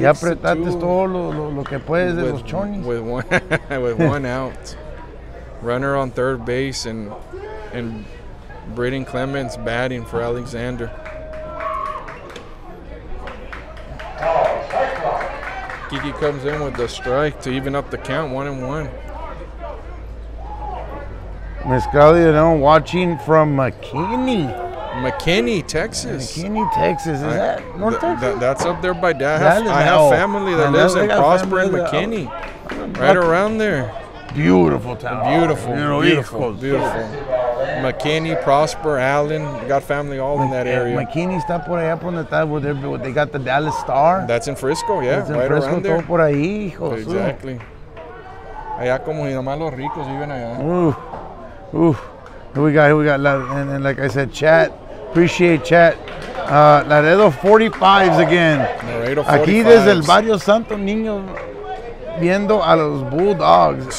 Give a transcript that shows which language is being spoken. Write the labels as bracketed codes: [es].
[es] Ya apretaste todo lo que puedes de los chonis. [en] With one out. Runner on third base and Braden Clements batting for Alexander. Kiki comes in with the strike to even up the count, 1-1. Miss Claudia, you know, watching from McKinney. McKinney, Texas. McKinney, Texas. Is that North Texas? That's up there by Dallas. I have family that lives in Prosper and McKinney. Right around there. Beautiful town. Beautiful. McKinney, Prosper, Allen. We got family all in that area. [es] McKinney está por allá por donde está, [en] where they got the Dallas Star. That's in Frisco, yeah. That's right in Frisco, around there. [es] Todo por ahí, hijo. [en] Exactly. [es] Allá como y nomás los ricos viven allá. Ooh. [en] Here we got, and like I said, chat. Appreciate chat. Laredo 45s again. Laredo 45s. [es] Aquí desde el Barrio Santo Niño, viendo a los Bulldogs.